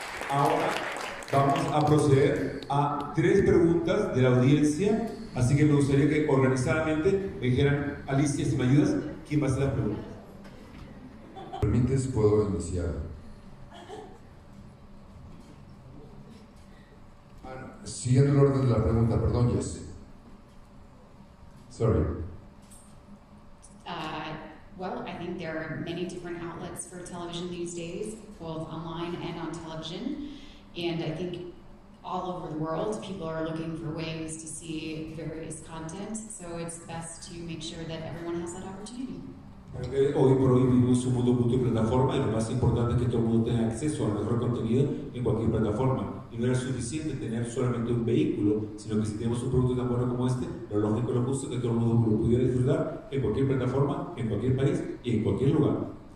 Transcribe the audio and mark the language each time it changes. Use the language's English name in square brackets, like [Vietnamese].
[Spanish] Ahora vamos a proceder a tres preguntas de la audiencia, así que me gustaría que organizadamente me dijeran, Alicia, si me ayudas, ¿quién va a hacer las preguntas? ¿Permites? ¿Puedo iniciar? Siguiendo el orden de la pregunta, perdón, Jess. [English] Sorry. Well, I think there are many different outlets for television these days, both online and on television. And I think all over the world, people are looking for ways to see various content. So it's best to make sure that everyone has that opportunity. [Spanish] Hoy por hoy vivimos un mundo multiplataforma, y lo más importante es que todo el mundo tenga acceso al mejor contenido en cualquier plataforma. Y no era suficiente tener solamente un vehículo, sino que si tenemos un producto tan bueno como este, lo lógico y lo justo es que todo el mundo lo pudiera disfrutar en cualquier plataforma, en cualquier país y en cualquier lugar.